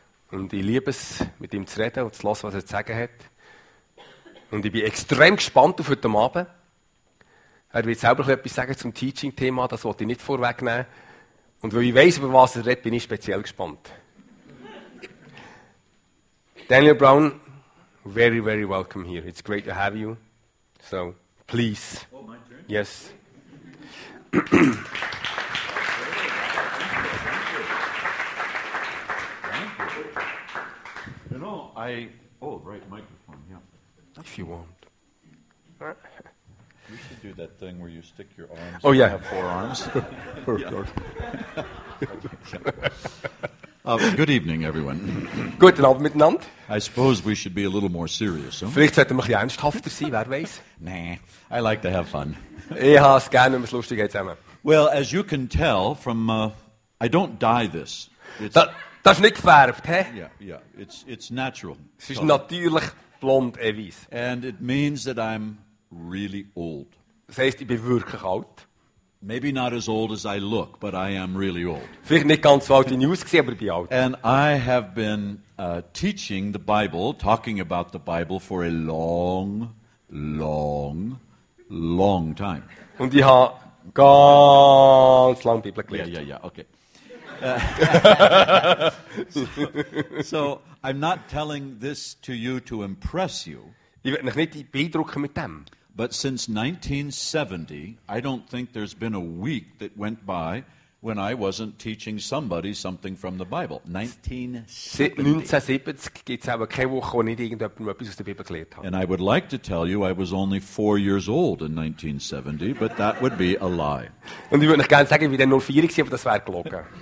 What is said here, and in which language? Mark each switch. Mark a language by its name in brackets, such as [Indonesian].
[German] Und ich liebe es, mit ihm zu reden und zu hören, was er zu sagen hat. Und ich bin extrem gespannt auf heute Abend. Er wird selber etwas sagen zum Teaching-Thema, das wollte ich nicht vorwegnehmen. Und weil ich weiß, über was er redet, bin ich speziell gespannt. [English] Daniel Brown, very, very welcome here. It's great to have you. So, please. Oh, my turn? Yes. Thank you. You know, right, microphone, yeah. That's if you want. You should do that thing where you stick your arms and you have four arms. Good evening, everyone. [German] Guten Abend miteinander. [English] I suppose we should be a little more serious, huh? [German] Vielleicht sollten wir ein bisschen ernsthafter sein, wer weiß. [English] Nah, I like to have fun. [German] Ich habe es gerne, wenn wir es lustig haben zusammen. [English] Well, as you can tell from, I don't dye this. [German] Das ist nicht gefärbt, hä? [English] Yeah, it's natural. [German] Es ist natürlich blond, weiß. [English] And it means that I'm really old. [German] Das heißt, ich bin wirklich alt. [English] Maybe not as old as I look, but I am really old. [German] Vielleicht nicht ganz so alt wie ich ausgesehen, aber ich bin alt. [English] And I have been teaching the Bible, talking about the Bible for a long, long, long time. [German] Und ich habe ganz lang Bibel gelehrt. [English] Yeah, okay. so I'm not telling this to you to impress you. [German] Ich will nicht beeindrucken mit dem. [English] But since 1970, I don't think there's been a week that went by when I wasn't teaching somebody something from the Bible. [German] 1970 gibt's aber keine Woche, wo nicht irgendjemandem etwas aus der Bibel gelehrt habe. [English] And I would like to tell you I was only 4 years old in 1970, but that would be a lie. [German] Und ich würde euch gerne sagen, ich war dann nur 4, aber das wäre gelogen.